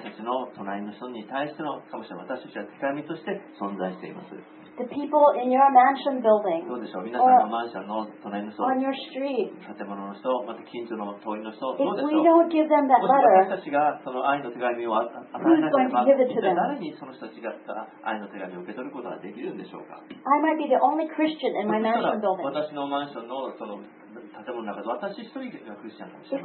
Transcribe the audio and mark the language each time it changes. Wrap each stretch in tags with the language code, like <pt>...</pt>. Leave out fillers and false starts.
<ja>私たちの隣の人に対してのかもしれません。私たちは手紙として存在しています。</ja> <en>The people in your mansion building.</en> <ja>どうでしょう。皆さんのマンションの隣の人。</ja> <en>On your street.</en> <ja>建物の人、また近所の通りの人、どうでしょう。</ja> <en>Give them that letter,</en> <ja>私たちがその愛の手紙を与えなければ誰にその人たちが愛の手紙を受け取ることができるんでしょうか。</ja> <en>I might be the only Christian in my mansion building.</en> <ja>私のマンションのその建物の中で私一人がクリスチャンかもしれ</ja>